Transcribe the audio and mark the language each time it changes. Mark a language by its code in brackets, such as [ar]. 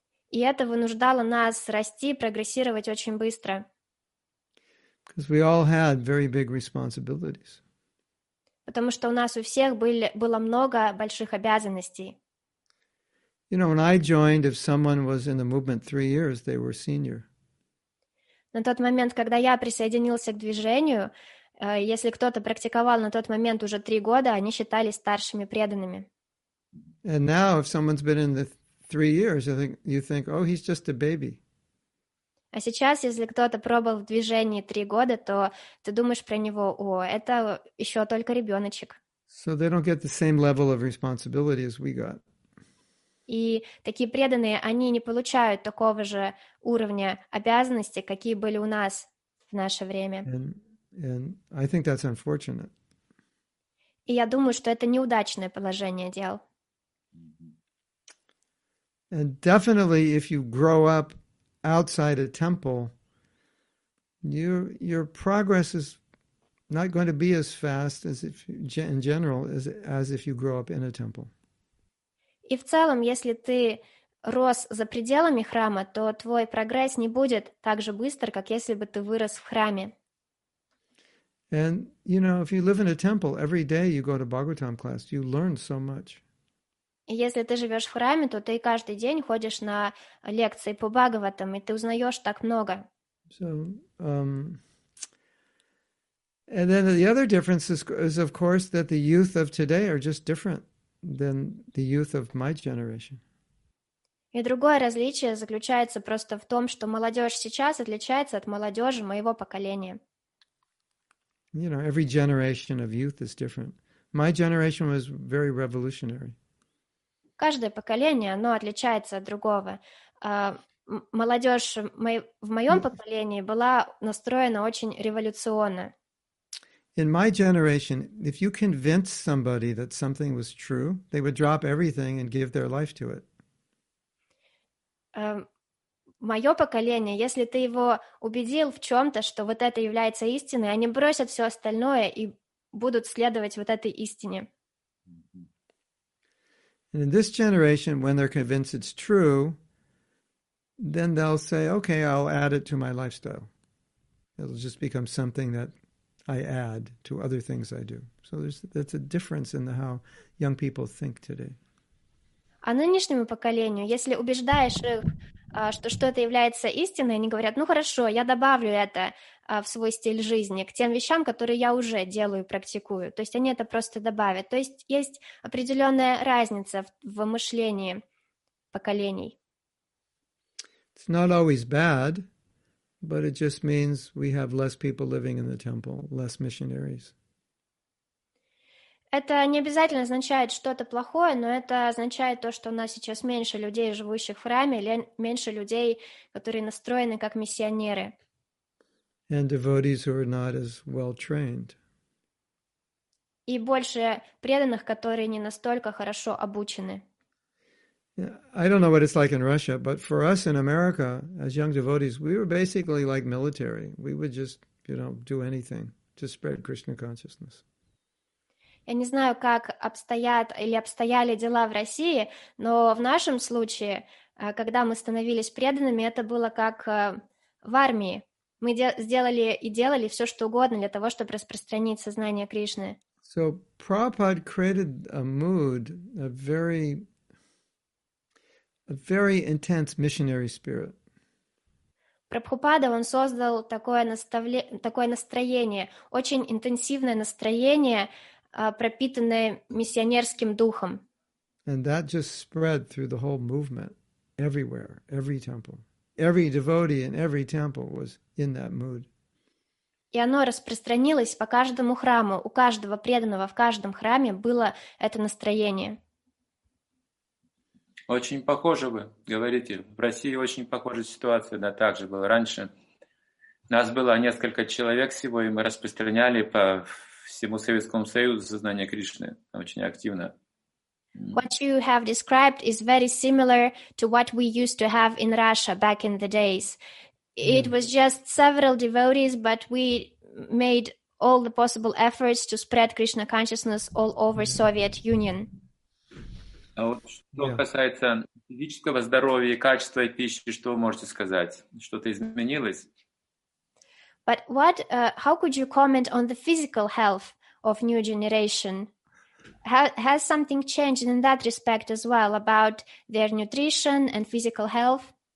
[ru] И это вынуждало нас расти, прогрессировать очень быстро. [en] Because we all had very big responsibilities. [ru] Потому что у нас у всех было много больших обязанностей. [en] You know, when I joined, if someone was in the movement 3 years, they were senior. [ru] На тот момент, когда я присоединился к движению, если кто-то практиковал на тот момент уже 3 года, они считались старшими преданными. [en] And now, if someone's been in the 3 years, you think, oh, he's just a baby. [ru] А сейчас, если кто-то пробыл в движении 3 года, то ты думаешь про него, о, это еще только ребеночек. [en] So they don't get the same level of responsibility as we got. [ru] И такие преданные, они не получают такого же уровня обязанностей, какие были у нас в наше время. [en] And I think that's unfortunate. [ru] И я думаю, что это неудачное положение дел. [en] And definitely, if you grow up outside a temple, your progress is not going to be as fast as if in general as if you grow up in a temple. [ru] И в целом, если ты рос за пределами храма, то твой прогресс не будет так же быстр, как если бы ты вырос в храме. [en] And you know, if you live in a temple, every day you go to Bhagavatam class, you learn so much. [ru] И если ты живешь в храме, то ты каждый день ходишь на лекции по Бхагаватам, и ты узнаешь так много. [en] And then the other difference is of course that the youth of today are just different than the youth of my generation. [ru] И другое различие заключается просто в том, что молодежь сейчас отличается от молодежи моего поколения. [en] You know, every generation of youth is different. My generation was very revolutionary. [ru] Каждое поколение, оно отличается от другого. Молодежь в моем поколении была настроена очень революционно. [en] In my generation, if you convince somebody that something was true, they would drop everything and give their life to it. [ru] Мое поколение, если ты его убедил в чем-то, что вот это является истиной, они бросят все остальное и будут следовать вот этой истине. [en] And in this generation, when they're convinced it's true, then they'll say, okay, I'll add it to my lifestyle. It'll just become something that I add to other things I do. So that's a difference in how young people think today. [ru] А нынешнему поколению, если убеждаешь их, что что-то является истиной, они говорят, ну хорошо, я добавлю это в свой стиль жизни, к тем вещам, которые я уже делаю и практикую. То есть они это просто добавят. То есть есть определенная разница в мышлении поколений. [en] It's not always bad, but it just means we have less people living in the temple, less missionaries. [ru] Это не обязательно означает что-то плохое, но это означает то, что у нас сейчас меньше людей, живущих в храме, меньше людей, которые настроены как миссионеры. [en] And devotees who are not as well trained. [ru] И больше преданных, которые не настолько хорошо обучены. [en] I don't know what it's like in Russia, but for us in America, as young devotees, we were basically like military. We would just, you know, do anything to spread Krishna consciousness. [ru] Я не знаю, как обстоят или обстояли дела в России, но в нашем случае, когда мы становились преданными, это было как в армии. Мы сделали и делали все, что угодно для того, чтобы распространить сознание Кришны. [en] So Prabhupada created a mood, a very intense missionary spirit. [ru] Прабхупада, он создал такое такое настроение, очень интенсивное настроение, пропитанное миссионерским духом. [en] And that just spread through the whole movement, everywhere, every temple. Every devotee in every temple was in that mood. [ru] И оно распространилось по каждому храму, у каждого преданного в каждом храме было это настроение. Очень похоже вы, говорите. В России очень похожая ситуация, да, так же было раньше. Нас было несколько человек всего, и мы распространяли по всему Советскому Союзу сознание Кришны очень активно. [en] What you have described is very similar to what we used to have in Russia back in the days. It was just several devotees, but we made all the possible efforts to spread Krishna consciousness all over Soviet Union. [ru] А вот что касается физического здоровья и качества пищи, что вы можете сказать? Что-то изменилось? [en] But what, how could you comment on the physical health of new generation? Has something changed in that respect as well about their nutrition and physical health?